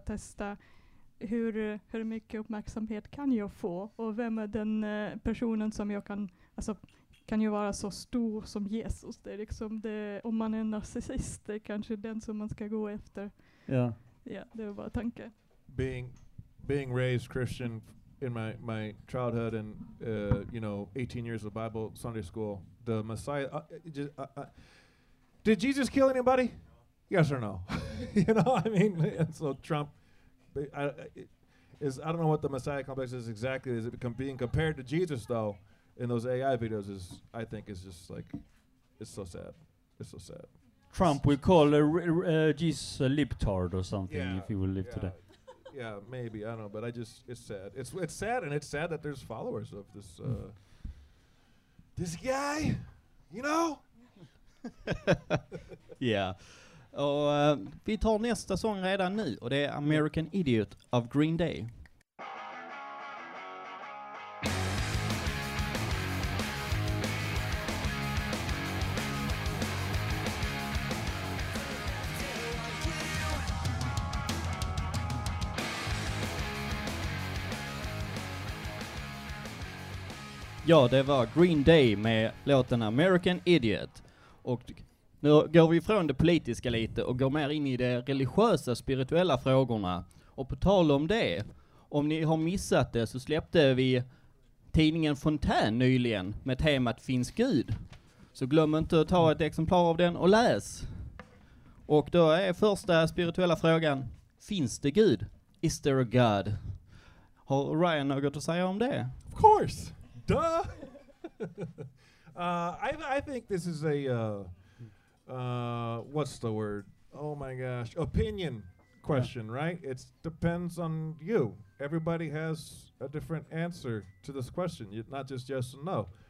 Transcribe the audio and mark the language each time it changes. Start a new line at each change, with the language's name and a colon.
Swedish: Testa hur mycket uppmärksamhet kan jag få. Och vem är den personen som jag kan... Alltså, kan ju vara så stor som Jesus. Det är liksom det, om man är en narcissist, det är kanske den som man ska gå efter. Ja, det var bara tanke.
English: Being raised Christian in my childhood and 18 years of Bible Sunday school, the Messiah, did Jesus kill anybody? Yes or no? You know, I mean, and so Trump, I don't know what the Messiah complex is exactly. Is it being compared to Jesus though in those AI videos? Is I think is just like, it's so sad. Trump will call Jesus a libtard or something if he will live today. Yeah, maybe, I don't know, but I just, it's sad. It's sad, and it's sad that there's followers of this this guy, you know? Yeah.
Swedish: Och vi tar nästa sång redan nu, och det är American Idiot av Green Day.
English: Yeah.
Swedish: Ja, det var Green Day med låten American Idiot. Och nu går vi ifrån det politiska lite och går mer in i de religiösa, spirituella frågorna. Och på tal om det, om ni har missat det så släppte vi tidningen Fontän nyligen med temat Finns Gud. Så glöm inte att ta ett exemplar av den och läs. Och då är första spirituella frågan, finns det Gud?
English: Is there a God?
Swedish: Har Ryan något att säga om det?
English: Of course! Duh! I think this is a, what's the word? Oh my gosh, opinion question, yeah. Right? It depends on you. Everybody has a different answer to this question, not just yes and no.